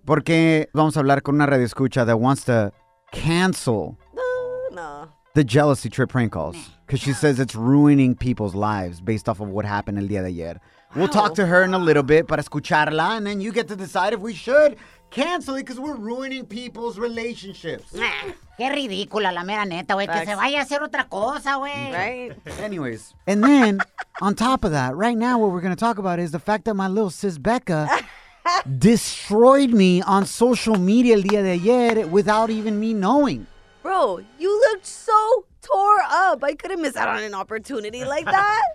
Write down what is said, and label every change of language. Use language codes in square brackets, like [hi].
[es] Porque vamos a hablar con una radio escucha [en] that wants to cancel the jealousy trip prank calls. Because she says it's ruining people's lives based off of what happened [es] el día de ayer. [en] Wow. We'll talk to her in a little bit [es] para escucharla, [en] and then you get to decide if we should cancel it because we're ruining people's relationships. [es] Qué ridícula, la mera neta, güey. Que se vaya a hacer otra cosa, güey. [en] Right. Anyways. And then, on top of that, right now what we're going to talk about is the fact that my little sis Becca destroyed me on social media [es] el día de ayer [en] without even me knowing. Bro, you looked so tore up. I couldn't miss out on an opportunity like that.